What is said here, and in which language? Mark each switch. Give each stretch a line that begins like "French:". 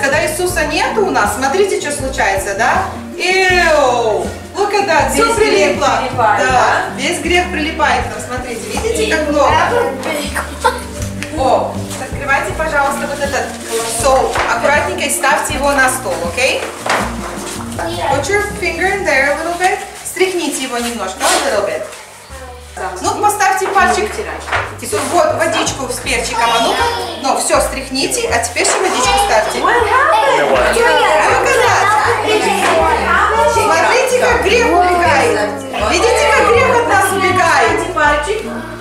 Russian: Когда Иисуса нету у нас, смотрите, что случается, да?
English: Ew! Look at that.
Russian: Все прилипло. Да. Весь грех прилипает нам. Смотрите, видите, как много. О, открывайте, пожалуйста, вот этот стол. Аккуратненько ставьте его на стол, окей?
English: Put your finger in there a little bit.
Russian: Стряхните его немножко,
English: a little bit.
Russian: Ну-ка, поставьте пальчик. Тут вот водичку с перчиком. А ну-ка, ну, все, стряхните. А теперь все водичку ставьте. Смотрите, как грех убегает. Видите, как грех от нас убегает.